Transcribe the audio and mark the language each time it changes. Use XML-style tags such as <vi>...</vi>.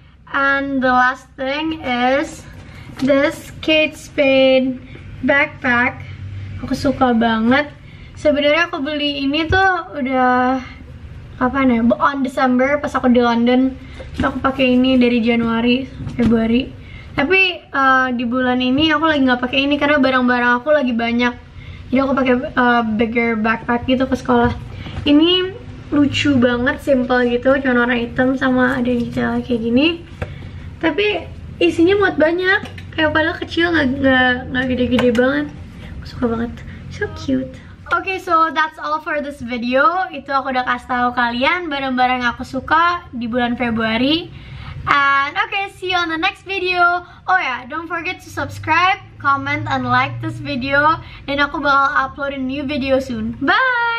<en>And the last thing is this Kate Spade backpack.</en> <id>Aku suka banget. Sebenarnya aku beli ini tuh udah kapan ya?</id> <en>On December</en> <id>pas aku di London. Terus aku pakai ini dari Januari, Februari. Tapi di bulan ini aku lagi nggak pakai ini karena barang-barang aku lagi banyak. Jadi aku pakai</id> <en>bigger backpack</en> <id>gitu ke sekolah. Ini lucu banget, simple gitu, cuma warna hitam sama ada detail kayak gini. Tapi isinya muat banyak, kayak padahal kecil, nggak gede-gede banget. Aku suka banget,</id> <en>so cute. Okay, so that's all for this video.</en> <id>Itu aku udah kasih tahu kalian barang-barang yang aku suka di bulan Februari.</id> <en>And okay, see you on the next video. Oh yeah, don't forget to subscribe, comment, and like this video.</en> <id>Dan aku bakal upload</id> <en>a new video soon. Bye!</en>